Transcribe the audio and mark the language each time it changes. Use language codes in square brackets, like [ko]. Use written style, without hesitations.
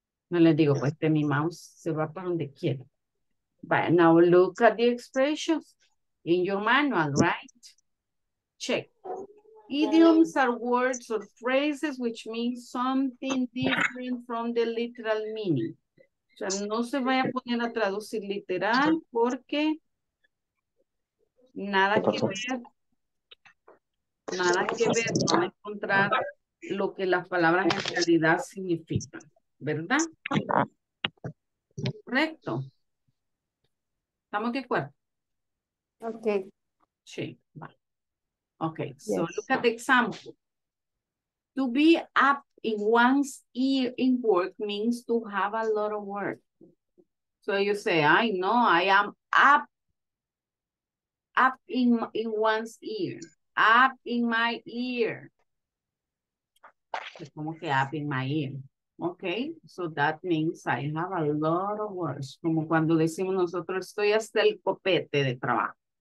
[es] No le digo, pues mi mouse se va para donde quiera. [en] But now look at the expressions in your manual, right? Check. Idioms are words or phrases which mean something different from the literal meaning. [es] O sea, no se vaya a poner a traducir literal porque nada que ver. Nada que ver, no va a encontrar lo que las palabras en realidad significan, ¿verdad? Correcto. ¿Estamos de acuerdo? Ok. Sí, va. [en] Ok, yes. So look at the example. To be up in one's ear in work means to have a lot of work. So you say, I know, I am up in one's ear. Up in my ear. [es] Como que [en] up in my ear. Okay, so that means I have a lot of work. [es] Como cuando decimos nosotros, estoy hasta el copete de trabajo.